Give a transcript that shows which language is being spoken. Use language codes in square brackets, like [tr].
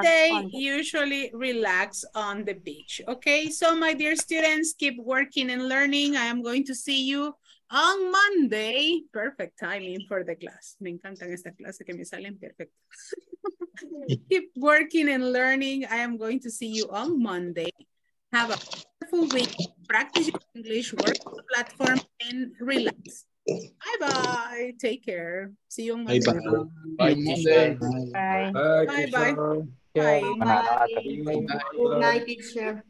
[en] They usually relax on the beach. Okay, so my dear students, keep working and learning. I am going to see you on Monday. Perfect timing for the class. [es] Me encantan estas clases que me salen perfect. [en] Keep working and learning. I am going to see you on Monday. Have a wonderful week. Practice your English, work on the platform, and relax. Bye-bye. Take care. See you on Monday. Bye-bye. Bye-bye. Bye-bye. Good night, teacher.